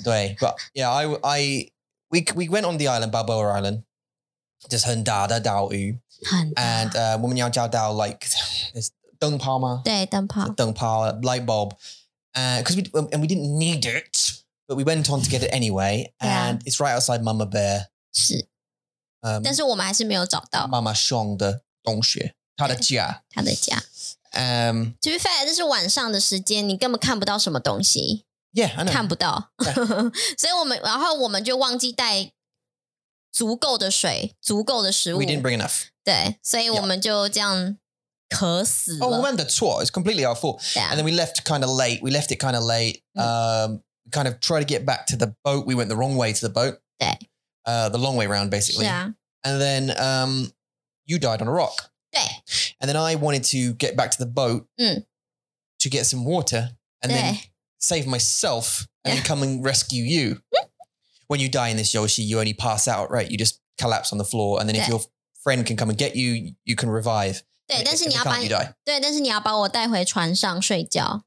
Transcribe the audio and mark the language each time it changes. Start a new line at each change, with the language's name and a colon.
Chinese: 对
English: but yeah, we went on the island, Balboa Island.
Chinese: 就是很大的岛屿。And 我们要找到 like, 灯泡吗？对，灯泡。灯泡
English: light bulb. And we didn't need it, but we went on to get it anyway. And it's right outside Mama Bear.
Chinese: 是。但是我们还是没有找到。妈妈熊的洞穴，她的家。她的家。
English: To be fair,
Chinese: 这是晚上的时间，你根本看不到什么东西。
English: Yeah, I know.
Chinese: 看不到。
English: Yeah.
Chinese: 所以我们就忘记带足够的水，足够的食物。
English: We didn't bring enough.
Chinese: 对，所以我们就这样渴死了。
English: Oh,
Chinese: 我们的错
English: ，it's completely our fault. Yeah. And then we left kind of late. We left it kind of late. Kind of try to get back to the boat. We went the wrong way to the boat.
Chinese: 对。
English: The long way round, basically. Yeah. And then you died on a rock.
Chinese: 对。
English: And then I wanted to get back to the boat to get some water and then save myself and come and rescue you. When you die in this Yoshi, you only pass out, right? You just collapse on the floor. And then if your friend can come and get you, you can revive.
Chinese: 对但是你要把
English: you die.
Chinese: 对但是你要把我带回船上睡觉。